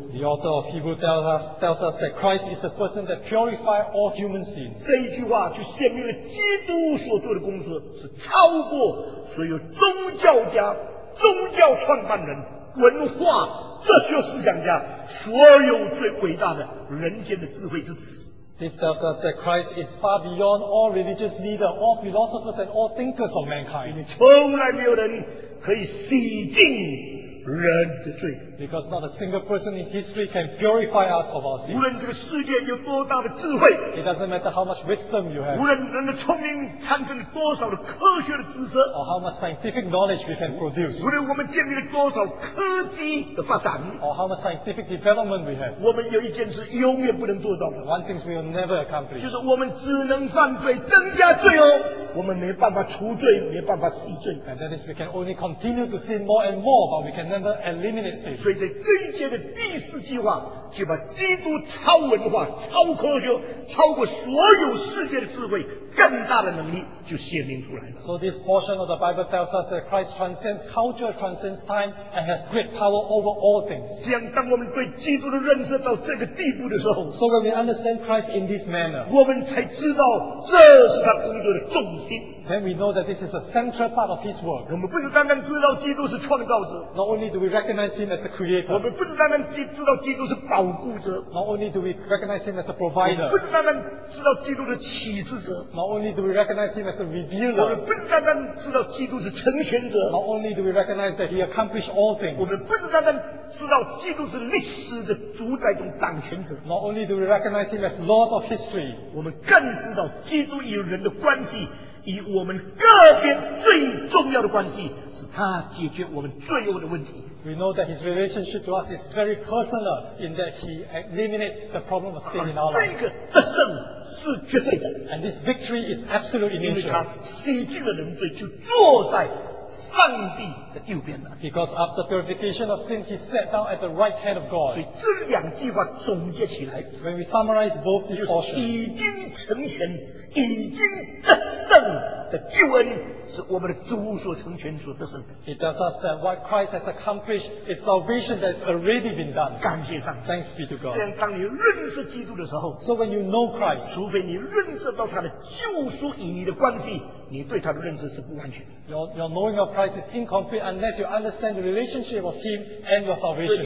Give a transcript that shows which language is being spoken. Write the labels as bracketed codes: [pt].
[en] The author of Hebrews tells us that Christ is the person that purifies all human sins. [zh] 这一句话就显明了基督所做的工作是超过所有宗教家、宗教创办人、文化、哲学思想家所有最伟大的人间的智慧之子。 [en] This tells us that Christ is far beyond all religious leaders, all philosophers, and all thinkers of mankind. [zh] 从来没有人可以洗净人的罪。 [en] Because not a single person in history can purify us of our sins. [zh] 无论这个世界有多大的智慧。 [en] It doesn't matter how much wisdom you have. [zh] 无论人的聪明产生了多少的科学的知识。 [en] Or how much scientific knowledge we can produce. [zh] 无论我们建立了多少科技的发展。 [en] Or how much scientific development we have. [zh] 我们有一件事永远不能做到的。 [en] One thing we will never accomplish. [zh] 就是我们只能犯罪，增加罪哦。我们没办法除罪，没办法洗罪。 [en] And that is we can only continue to sin more and more, but we can never eliminate sin. [zh] 所以在这一节的第四句话，就把基督超文化、超科学、超过所有世界的智慧、更大的能力，就显明出来了。 [en] So this portion of the Bible tells us that Christ transcends culture, transcends time, and has great power over all things. [zh] 这样，当我们对基督的认识到这个地步的时候 [en] ，So when we understand Christ in this manner， [zh] 我们才知道这是他工作的重点。 [en] Then we know that this is a central part of his work. [zh] 我们不是单单知道基督是创造者。 [en] Not only do we recognize him as the creator. [zh] 我们不是单单知道基督是保护者。 [en] Not only do we recognize him as the provider. [zh] 我们不是单单知道基督是启示者。 [en] Not only do we recognize him as the revealer. [zh] 我们不是单单知道基督是成全者。 [en] Not only do we recognize that he accomplished all things. [zh] 我们不是单单知道基督是历史的主宰中掌权者。 [en] Not only do we recognize him as Lord of history. [zh] 我们更知道基督与人的关系。以我们个别最重要的关系是他解决我们罪恶的问题。 [en] We know that his relationship to us is very personal in that he eliminates the problem of sin in our life. [zh] 这个得胜是绝对的。 [en] And this victory is absolute in nature. [zh] 因为他洗净了人罪就坐在上帝的右边了。 [en] Because after purification of sin, he sat down at the right hand of God. [zh] 所以这两句话总结起来 [en] ，When we summarize both these portions, [zh] 已经成全。已经得胜的救恩是我们的主所成全所得胜的。 [en] It tells us that what Christ has accomplished is salvation that has already been done. [zh] 感谢上帝。 [en] Thanks be to God. [zh] 这样当你认识基督的时候 [en] ，So when you know Christ， [zh] 除非你认识到他的救赎与你的关系，你对他的认识是不完全的。 [en] Your knowing of Christ is incomplete unless you understand the relationship of Him and your salvation.